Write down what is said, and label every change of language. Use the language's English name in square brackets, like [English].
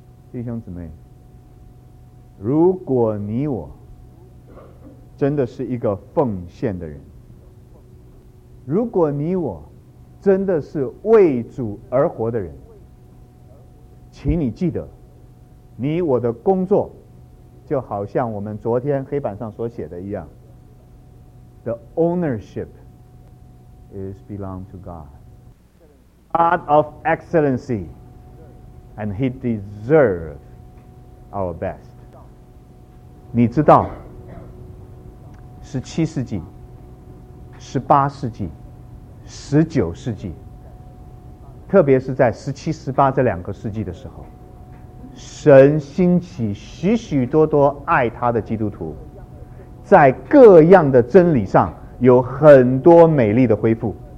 [Chinese] 弟兄姊妹，如果你我真的是一个奉献的人，如果你我真的是为主而活的人，请你记得，你我的工作就好像我们昨天黑板上所写的一样， [English] The ownership is belong to God. God of excellency, and he deserves our best. [Chinese] 你知道17世纪、18世纪、19世纪，特别是在17、18这两个世纪的时候，神兴起许许多多爱他的基督徒，在各样的真理上有很多美丽的恢复。